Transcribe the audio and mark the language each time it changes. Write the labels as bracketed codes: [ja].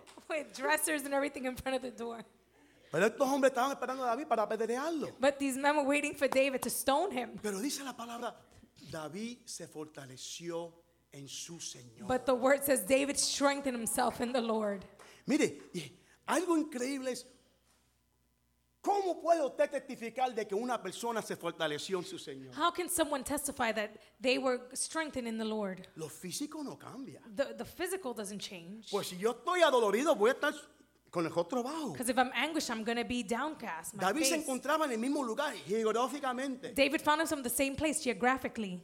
[en] With dressers and everything in front of the door. [es] Pero estos hombres estaban esperando a David para apedrearlo. [en] But these men were waiting for David to stone him. [es] Pero dice la palabra, David se fortaleció en su Señor. [en] But the word says David strengthened himself in the Lord. [es] Mire, algo increíble es, ¿cómo puede usted testificar de que una persona se fortaleció en su Señor? [en] How can someone testify that they were strengthened in the Lord? [es] Lo físico no cambia. [en] The physical doesn't change. [es] Pues si yo estoy adolorido, voy a estar con el otro bajo. [en] Because if I'm anguished, I'm going to be downcast. My David face. [es] Se encontraba en el mismo lugar geográficamente. David found himself in the same place geographically.